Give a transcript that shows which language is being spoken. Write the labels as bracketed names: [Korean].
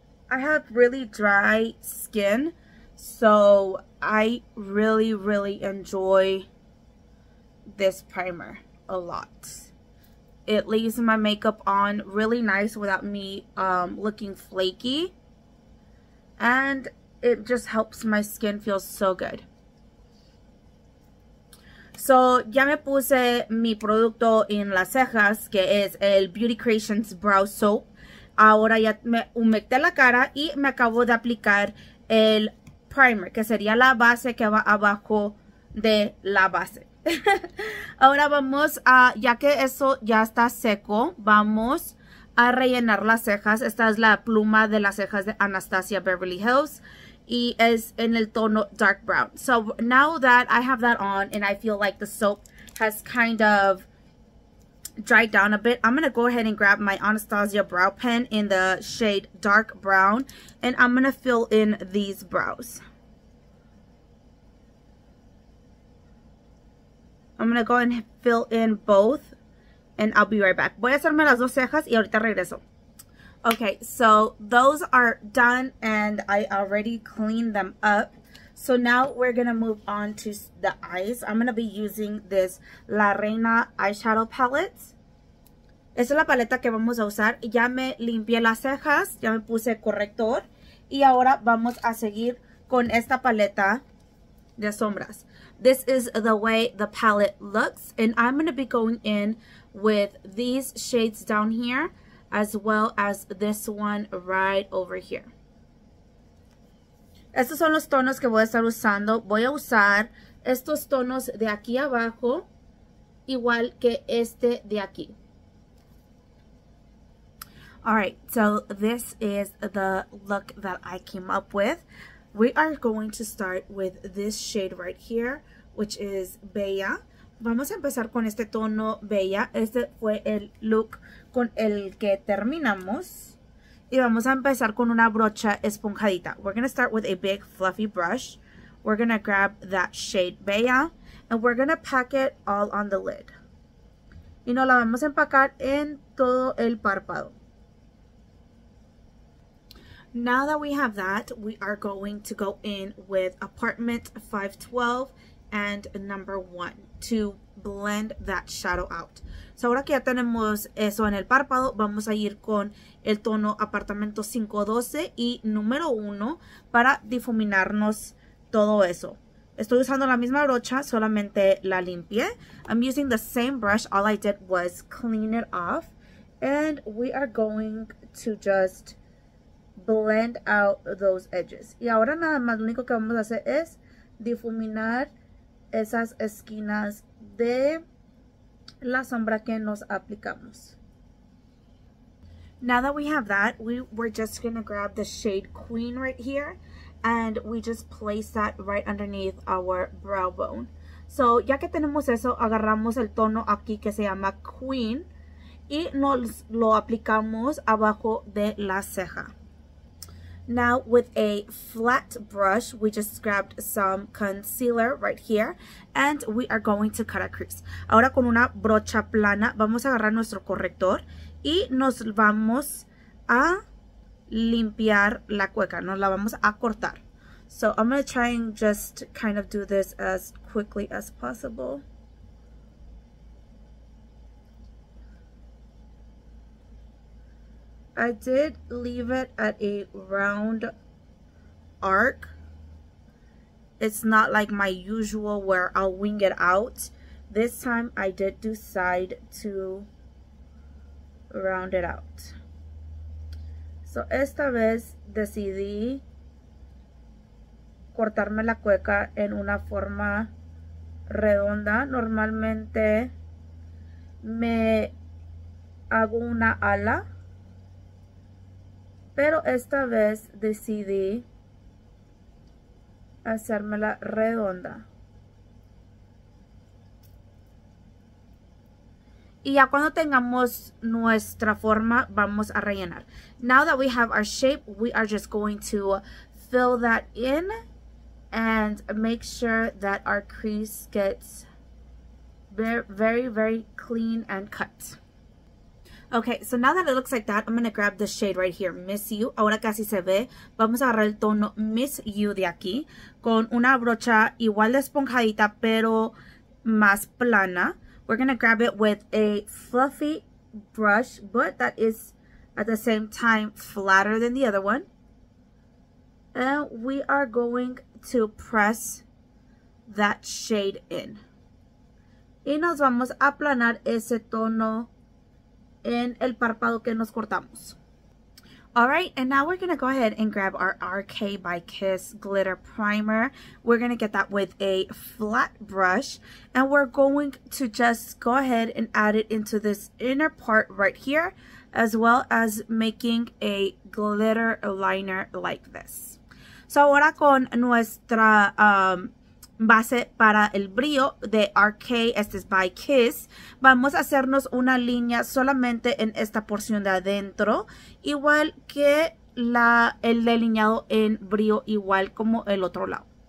[English] I have really dry skin, so I really enjoy this primer a lot. It leaves my makeup on really nice without me looking flaky, and it just helps my skin feel so good. [Spanish] So ya me puse mi producto en las cejas, que es el Beauty Creations Brow Soap. Ahora ya me humecté la cara y me acabo de aplicar el primer, que sería la base que va abajo de la base. Ahora vamos a, ya que eso ya está seco, vamos a rellenar las cejas. Esta es la pluma de las cejas de Anastasia Beverly Hills y es en el tono dark brown. [English] So now that I have that on and I feel like the soap has kind of dried down a bit, I'm gonna go ahead and grab my Anastasia brow pen in the shade dark brown and I'm gonna fill in these brows. I'm gonna go and fill in both and I'll be right back. [Spanish] Voy a hacerme las dos cejas y ahorita regreso. [English] Okay, so those are done and I already cleaned them up. So now we're gonna move on to the eyes. I'm gonna be using this La Reina eyeshadow palette. [Spanish] Esa es la paleta que vamos a usar. Ya me limpié las cejas, ya me puse corrector y ahora vamos a seguir con esta paleta de sombras. [English] This is the way the palette looks, and I'm going to be going in with these shades down here, as well as this one right over here. [Spanish] Estos son los tonos que voy a estar usando. Voy a usar estos tonos de aquí abajo, igual que este de aquí. [English] Alright, so this is the look that I came up with. We are going to start with this shade right here, which is Bella. [Spanish] Vamos a empezar con este tono Bella. Este fue el look con el que terminamos. Y vamos a empezar con una brocha esponjadita. [English] We're gonna start with a big fluffy brush. We're gonna grab that shade Bella and we're gonna pack it all on the lid. [Spanish] Y nos la vamos a empacar en todo el párpado. [English] Now that we have that, we are going to go in with apartment 512. And number one to blend that shadow out. [Spanish] So ahora que ya tenemos eso en el párpado, vamos a ir con el tono apartamento 512 y número 1 para difuminarnos todo eso. Estoy usando la misma brocha, solamente la limpié. [English] I'm using the same brush. All I did was clean it off. And we are going to just blend out those edges. [Spanish] Y ahora nada más lo único que vamos a hacer es difuminar esas esquinas de la sombra que nos aplicamos. [English] Now that we have that, we're just gonna grab the shade Queen right here and we just place that right underneath our brow bone. [Spanish] So ya que tenemos eso, agarramos el tono aquí que se llama Queen y nos lo aplicamos abajo de la ceja. [English] Now with a flat brush, we just grabbed some concealer right here and we are going to cut a crease. [Spanish] Ahora con una brocha plana vamos a agarrar nuestro corrector y nos vamos a limpiar la cueca, nos la vamos a cortar. [English] So I'm going to try and just kind of do this as quickly as possible. I did leave it at a round arc. It's not like my usual where I'll wing it out. This time I did do side to round it out. [Spanish] So esta vez decidí cortarme la cueca en una forma redonda. Normalmente me hago una ala. Pero esta vez decidí hacérmela redonda. Y ya cuando tengamos nuestra forma, vamos a rellenar. [English] Now that we have our shape, we are just going to fill that in and make sure that our crease gets very, very clean and cut. Okay, so now that it looks like that, I'm going to grab the shade right here, Miss You. [Spanish] Ahora casi se ve. Vamos a agarrar el tono Miss You de aquí con una brocha igual de esponjadita, pero más plana. [English] We're going to grab it with a fluffy brush, but that is at the same time flatter than the other one. And we are going to press that shade in. [Spanish] Y nos vamos a aplanar ese tono en el párpado que nos cortamos. [English] Alright, and now we're going to go ahead and grab our RK by Kiss Glitter Primer. We're going to get that with a flat brush. And we're going to just go ahead and add it into this inner part right here. As well as making a glitter liner like this. [Spanish] So ahora con nuestra base para el brillo de RK, este es by Kiss, vamos a hacernos una línea solamente en esta porción de adentro, igual que el delineado en brillo, igual como el otro lado.